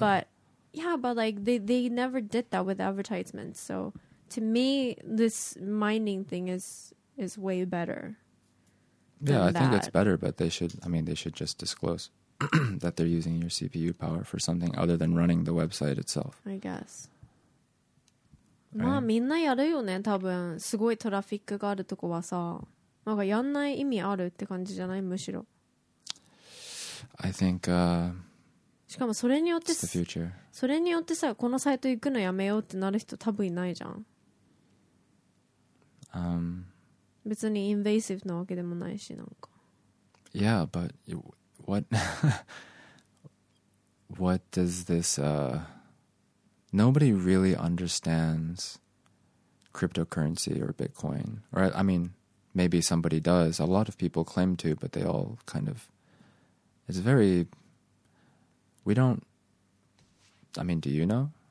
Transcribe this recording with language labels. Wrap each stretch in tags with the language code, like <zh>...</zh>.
<en>But yeah, but like they never did that with advertisements. So to me, this mining thing is way better. Yeah, I think it's better, but they should. I mean, they should just disclose. that they're using your CPU power for something other than running the website itself. I guess.</en> <ja>まあみんなやるよね。多分すごいトラフィックがあるとこはさ、なんかやんない意味あるって感じじゃない？むしろ。</ja> <en>I think.</en> <ja>しかもそれによって</ja> <en>it's the future.</en> <ja>それによってさ、このサイト行くのやめようってなる人多分いないじゃん。別にインベーシブなわけでもないしなんか。</ja> <en>Yeah, but. What does this, nobody really understands cryptocurrency or Bitcoin, right? I mean, maybe somebody does. A lot of people claim to, but they all kind of, it's very, we don't, I mean, do you know?</en>